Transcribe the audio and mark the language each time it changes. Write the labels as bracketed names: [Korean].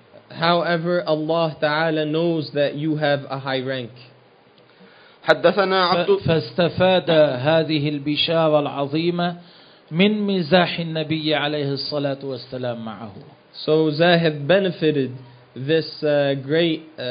[English] However, Allah Ta'ala knows that you have a high rank. [Arabic] حدثنا عبد. فاستفاد هذه البشارة العظيمة من مزاح النبي عليه الصلاة والسلام معه. [English] So Zahid benefited this great